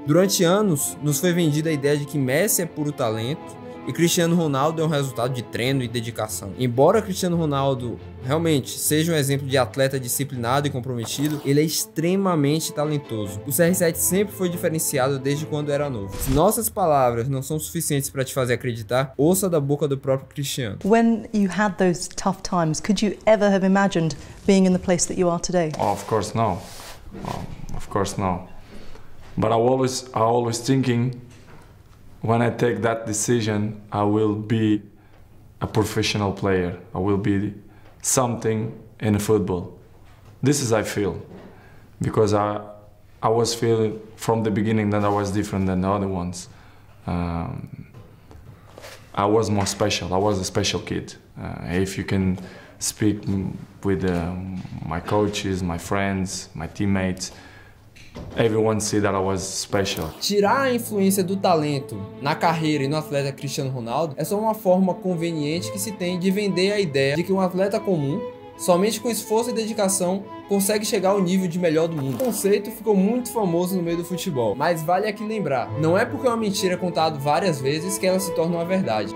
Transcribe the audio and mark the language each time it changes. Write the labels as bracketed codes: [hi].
[pt] Durante anos, nos foi vendida a ideia de que Messi é puro talento, e Cristiano Ronaldo é um resultado de treino e dedicação. Embora Cristiano Ronaldo realmente seja um exemplo de atleta disciplinado e comprometido, ele é extremamente talentoso. O CR7 sempre foi diferenciado desde quando era novo. Se nossas palavras não são suficientes para te fazer acreditar, ouça da boca do próprio Cristiano. [en] When you had those tough times, could you ever have imagined being in the place that you are today? Of course not. But I always thinking, when I take that decision, I will be a professional player. I will be something in football. This is how I feel, because I was feeling from the beginning that I was different than the other ones. I was more special. I was a special kid. If you can speak with my coaches, my friends, my teammates, everyone see that I was special. [pt] Tirar a influência do talento na carreira e no atleta Cristiano Ronaldo é só uma forma conveniente que se tem de vender a ideia de que um atleta comum, somente com esforço e dedicação, consegue chegar ao nível de melhor do mundo. O conceito ficou muito famoso no meio do futebol, mas vale aqui lembrar, não é porque uma mentira é contada várias vezes que ela se torna uma verdade.